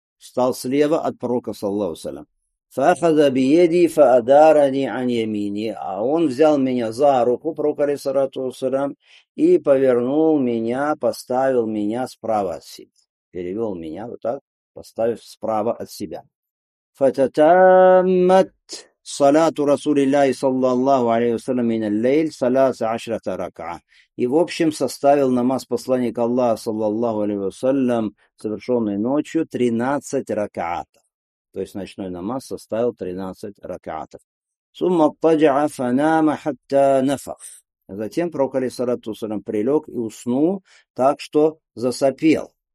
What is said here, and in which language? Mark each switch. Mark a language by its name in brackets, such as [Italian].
[Russian] Встал слева от пророка, саллаллаху алейхи ва саллям. [Arabic] فَأَخَذَ بِيَدِي فَأَدَارَنِي عَنْ يَمِينِي. [Russian] А он взял меня за руку, пророк, алейхиссалату ва саллям, и повернул меня, поставил меня справа от себя. Перевел меня вот так, поставив справа от себя. [Arabic] فَتَتَامَّتْ صَلَاةُ رَسُولِ اللَّهِ صَلَّى اللَّهُ عَلَيْهِ ва саллям مِنَ اللَّيْلِ صَلَاةَ عَشْرَةَ رَكْعَةً. [Russian] И в общем составил намаз посланника Аллаха, саллаллаху алейхи ва саллям, совершенный ночью, 13 ракаатов. То есть ночной намаз составил 13 ракаатов. [Arabic] Сумма таджа фанама хатта нафах. [Russian] Затем пророк алейхиссалату вассалям прилег и уснул так, что засопел.